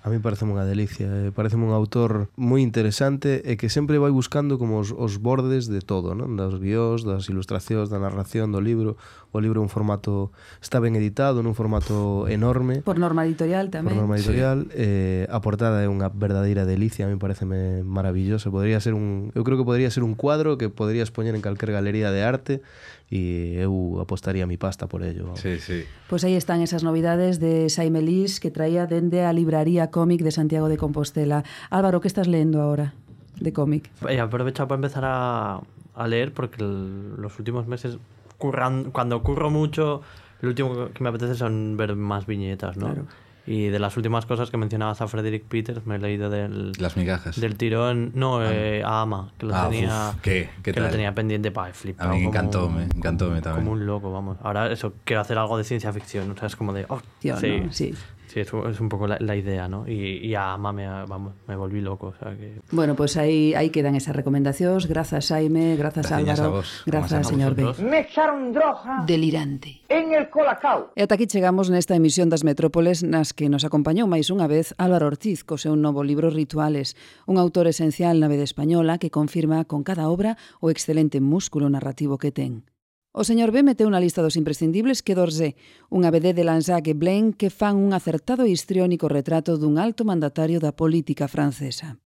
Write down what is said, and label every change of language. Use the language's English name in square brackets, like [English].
[Galician] A mí parece unha delicia, parece un autor moi interesante e que sempre vai buscando como os bordes de todo, non? Dos guións, das ilustracións, da narración, do libro. O libro é un formato, está ben editado, nun formato enorme. Por Norma Editorial tamén. Por Norma Editorial. Sí. A portada é unha verdadeira delicia, a mí pareceme maravilloso. Podría ser eu creo que podría ser un cuadro que podrías poñer en calquer galería de arte e eu apostaría [Spanish] mi pasta por ello. [Galician] Sí, sí. Pois aí están esas novidades de Xaime Lis que traía dende a libraría cómic de Santiago de Compostela. Álvaro, que estás lendo ahora de cómic? [Spanish] Aprovecho para empezar a leer, porque los últimos meses, cuando curro mucho, lo último que me apetece son ver más viñetas, ¿no? Claro. Y de las últimas cosas que mencionabas a Frederick Peters, me he leído Las migajas. Del tirón, no, a Ama, que lo tenía, ¿Qué tal? Lo tenía pendiente para flipar. A mí me encantó también. Como un loco, vamos. Ahora eso, quiero hacer algo de ciencia ficción, o sea, es como de, oh, tío, sí. No, sí. Sí, eso es un poco la idea, ¿no? Y a Ama me volví loco. O sea que... Bueno, pues ahí quedan esas recomendaciones. Gracias, Jaime. Gracias, Álvaro. A vos, gracias, señor vosotros. B. Me echaron droga. Delirante. En el Colacao. [Galician] E ata aquí chegamos nesta emisión das Metrópoles nas que nos acompañou máis unha vez Álvaro Ortiz co seu novo libro Rituales, un autor esencial na veda española que confirma con cada obra o excelente músculo narrativo que ten. O señor B meteu unha lista dos imprescindibles que Dorje, unha BD de Lansac e Blaine que fan un acertado e histriónico retrato dun alto mandatario da política francesa.